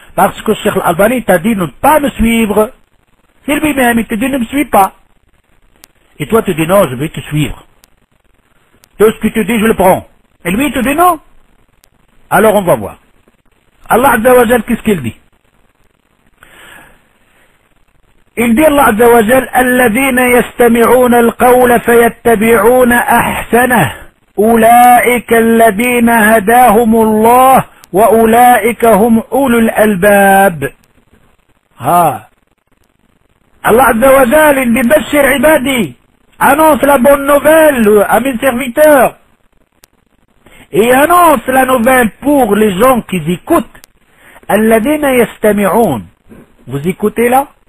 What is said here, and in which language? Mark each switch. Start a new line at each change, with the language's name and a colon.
French: Parce que Cheikh Al-Albani t'a dit ne pas me suivre. C'est lui-même, il te dit ne me suis pas. Et toi, tu dis non, je vais te suivre. Tout ce que tu dis, je le prends. Et lui, il te dit non. Alors on va voir. Allah Azza wa Jal, qu'est-ce qu'il dit?
Arabic: Il dit Allah Azza wa Jal, الذين يستمعون القول فيتبعون أحسنه أولئك الذين هداهم الله وأولئك هم أولو الألباب. Ha.
French: Allah Azza wa Jal, il dit Bashir Ibadi, annonce la bonne nouvelle à mes serviteurs et annonce la nouvelle pour les gens qui écoutent.
Arabic: الذين يستمعون,
French: vous écoutez là?